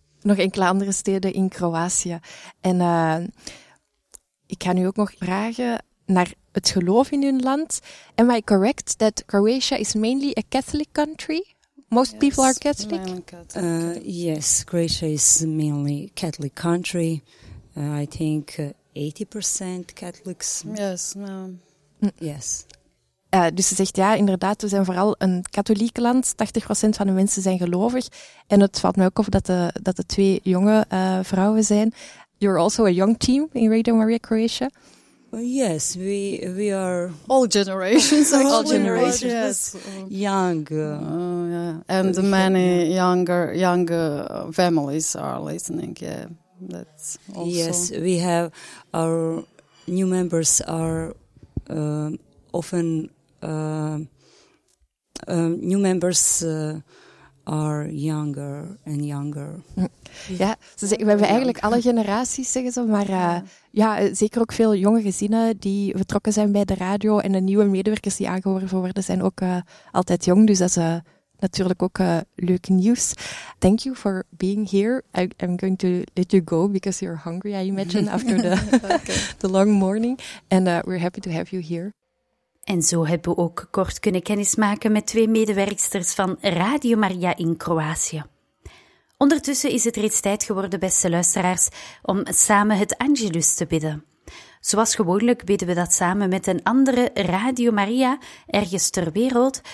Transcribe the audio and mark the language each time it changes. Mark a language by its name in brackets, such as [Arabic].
[Dutch] Nog enkele andere steden in Kroatië. En ik ga nu ook nog vragen naar het geloof in hun land. [English] Am I correct that Croatia is mainly a Catholic country? Most yes, people are Catholic? Yes, Croatia is mainly Catholic country. I think 80% Catholics. Yes. Yes. [Dutch] Dus ze zegt ja, inderdaad, we zijn vooral een katholiek land. 80% van de mensen zijn gelovig. En het valt me ook op dat de twee jonge vrouwen zijn. [English] You're also a young team in Radio Maria Croatia. Yes, we are all generations. All generations. Generations. Yes. Young. Yeah. And we many have, yeah. younger families are listening. Yeah, that's also. Yes, we have our new members are often new members are younger and younger. [Dutch] Ja, ze zeggen, we hebben eigenlijk alle generaties, zeggen ze, maar ja, zeker ook veel jonge gezinnen die vertrokken zijn bij de radio en de nieuwe medewerkers die aangeworven worden, zijn ook altijd jong. Dus dat is natuurlijk ook leuk nieuws. [English] Thank you for being here. I'm going to let you go because you're hungry, I imagine, after the, the long morning. And we're happy to have you here. [Dutch] En zo hebben we ook kort kunnen kennismaken met twee medewerksters van Radio Maria in Kroatië. Ondertussen is het reeds tijd geworden, beste luisteraars, om samen het Angelus te bidden. Zoals gewoonlijk bidden we dat samen met een andere Radio Maria ergens ter wereld.